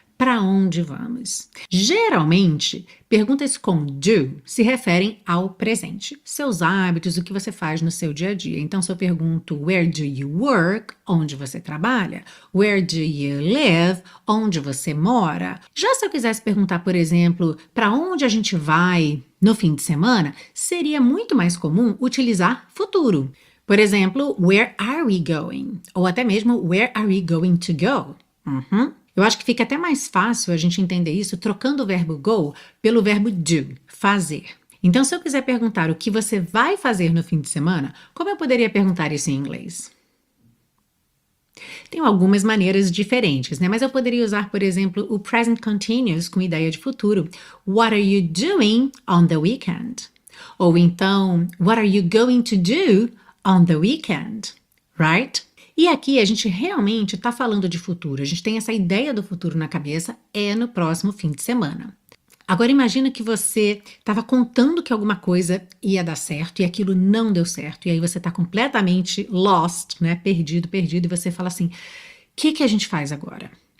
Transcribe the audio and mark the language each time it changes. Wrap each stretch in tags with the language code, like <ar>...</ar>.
<pt>Para onde vamos? Geralmente, perguntas com do se referem ao presente, seus hábitos, o que você faz no seu dia a dia. Então, se eu pergunto</pt> <en>Where do you work?</en> <pt>Onde você trabalha?</pt> <en>Where do you live?</en> <pt>Onde você mora? Já se eu quisesse perguntar, por exemplo, para onde a gente vai no fim de semana, seria muito mais comum utilizar futuro. Por exemplo,</pt> <en>Where are we going?</en> <pt>Ou até mesmo</pt> <en>Where are we going to go?</en> <pt>Eu acho que fica até mais fácil a gente entender isso trocando o verbo go pelo verbo do, fazer. Então, se eu quiser perguntar o que você vai fazer no fim de semana, como eu poderia perguntar isso em inglês? Tem algumas maneiras diferentes, né? Mas eu poderia usar, por exemplo, o present continuous com ideia de futuro.</pt> <en>What are you doing on the weekend?</en> <pt>Ou então,</pt> <en>what are you going to do on the weekend? Right?</en> <pt>E aqui a gente realmente está falando de futuro. A gente tem essa ideia do futuro na cabeça, é no próximo fim de semana. Agora imagina que você estava contando que alguma coisa ia dar certo e aquilo não deu certo. E aí você está completamente lost, né? Perdido, perdido, e você fala assim: o que a gente faz agora?</pt>